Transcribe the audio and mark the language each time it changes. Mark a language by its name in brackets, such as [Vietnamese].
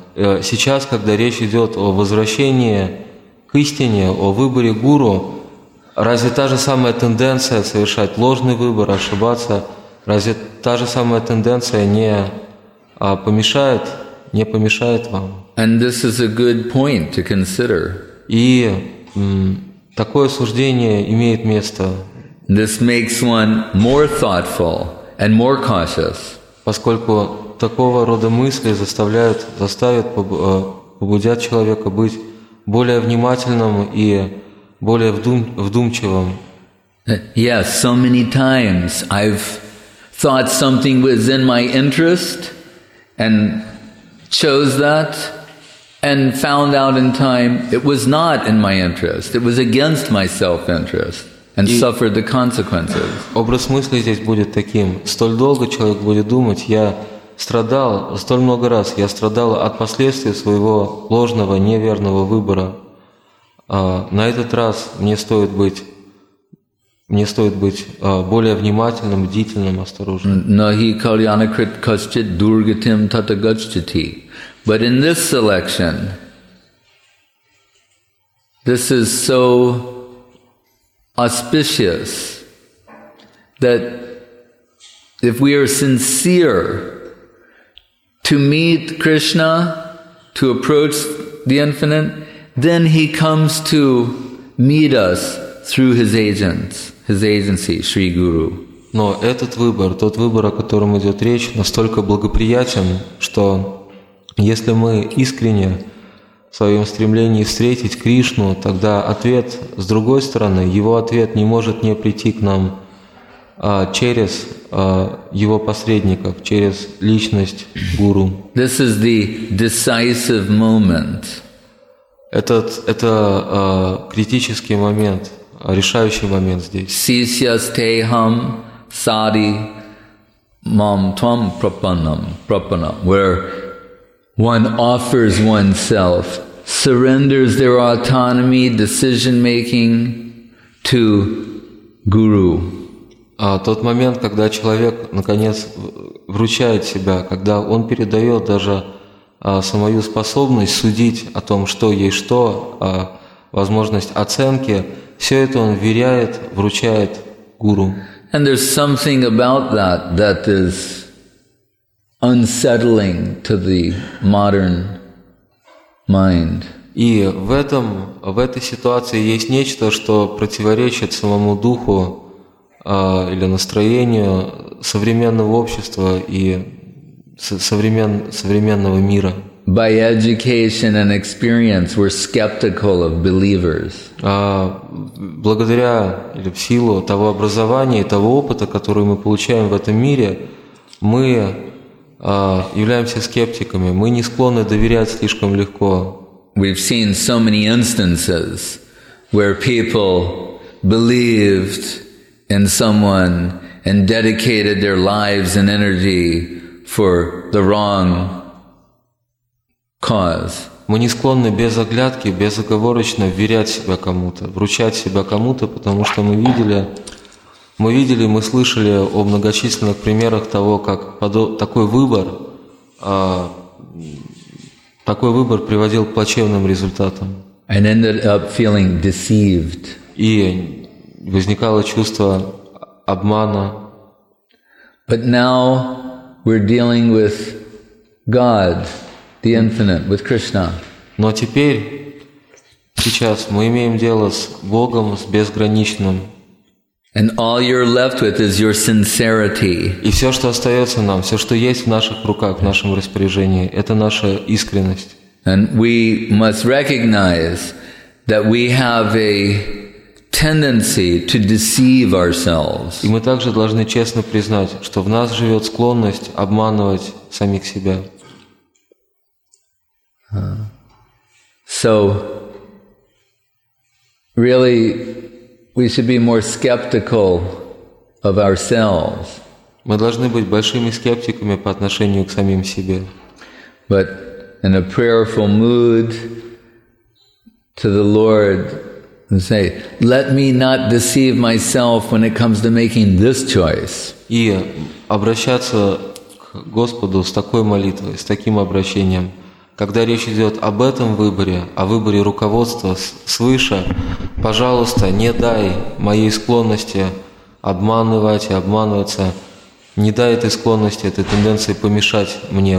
[Russian] Сейчас, когда речь идет о возвращении к истине, о выборе гуру, разве та же самая тенденция совершать ложный выбор, ошибаться, разве та же самая тенденция не помешает вам? [English] And this is a good point to consider. [Russian] И такое суждение имеет место. [English] This makes one more thoughtful and more cautious. [Russian] Поскольку такого рода мысли заставят, побудят человека быть более внимательным и более вдумчивым. [English] Yes, so many times I've thought something was in my interest and chose that and found out in time it was not in my interest. It was against my self-interest. And suffered the consequences. [Russian] Образ мысли здесь будет таким. Столь долго человек будет думать, я страдал, столь много раз я страдал от последствий своего ложного, неверного выбора. На этот раз мне стоит быть более внимательным, бдительным, осторожным. [Sanskrit] Нахи кальянакрит касчит дургатим татагачтити. [English] But in this selection, this is so auspicious, that if we are sincere to meet Krishna, to approach the Infinite, then He comes to meet us through His agents, His agency, Sri Guru. [Russian] Но этот выбор, тот выбор, о котором идет речь, настолько благоприятен, что если мы искренне в своем стремлении встретить Кришну, тогда ответ с другой стороны, Его ответ не может не прийти к нам через Его посредников, через личность Гуру. [English] This is the decisive moment. [Russian] Это критический момент, решающий момент здесь. [Sanskrit] Сисьястейхам сади мам твам прапаннам прапаннам, [English] where one offers oneself, surrenders their autonomy, decision-making to Guru. [Russian] Тот момент, когда человек, наконец, вручает себя, когда он передает даже свою способность судить о том, что есть что, возможность оценки, все это он вверяет, вручает Гуру. [English] And there's something about that that is unsettling to the modern mind. [Russian] И в этом, в этой ситуации есть нечто, что противоречит самому духу или настроению современного общества и современного мира. [English] By education and experience, we're skeptical of believers. [Russian] Благодаря или в силу того образования и того опыта, который мы получаем в этом мире, мы являемся скептиками. Мы не склонны доверять слишком легко. [English] We've seen so many instances where people believed in someone and dedicated their lives and energy for the wrong cause. [Russian] Мы не склонны без оглядки, безоговорочно вверять себя кому-то, вручать себя кому-то, потому что мы видели, мы слышали о многочисленных примерах того, как такой выбор приводил к плачевным результатам. [English] And ended up feeling deceived. [Russian] И возникало чувство обмана. [English] But now we're dealing with God, the Infinite, with Krishna. [Russian] Но сейчас мы имеем дело с Богом, с безграничным. [English] And all you're left with is your sincerity. [Russian] И все, что остается нам, все, что есть в наших руках, в нашем распоряжении, это наша искренность. [English] And we must recognize that we have a tendency to deceive ourselves. [Russian] И мы также должны честно признать, что в нас живет склонность обманывать самих себя. [English] So, really, we should be more skeptical of ourselves. [Russian] Мы должны быть большими скептиками по отношению к самим себе. [English] But in a prayerful mood to the Lord, and say, let me not deceive myself when it comes to making this choice. [Russian] И обращаться к Господу с такой молитвой, с таким обращением, когда речь идет об этом выборе, о выборе руководства свыше, пожалуйста, не дай моей склонности обманывать и обманываться, не дай этой склонности, этой тенденции помешать мне.